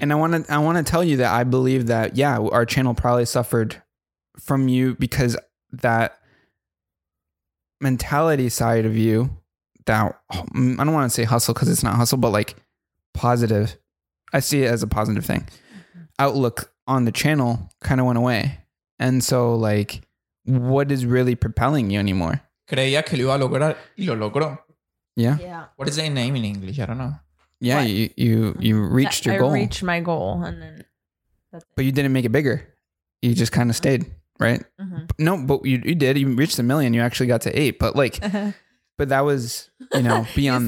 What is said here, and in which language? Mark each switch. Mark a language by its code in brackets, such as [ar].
[en] And I want to tell you that I believe that, our channel probably suffered from you, because that mentality side of you, that I don't want to say hustle because it's not hustle, but like positive. I see it as a positive thing. Mm-hmm. Outlook on the channel kind of went away. And so like, what is really propelling you anymore? [es] Creía que lo iba a lograr y lo logró. [en] Yeah. Yeah. What is their name in English? I don't know. Yeah, you reached your goal. I reached my goal, and then. But you didn't make it bigger. You just kind of stayed, right? Mm-hmm. No, but you did. You reached a million. You actually got to 8, but like, but that was, you know, beyond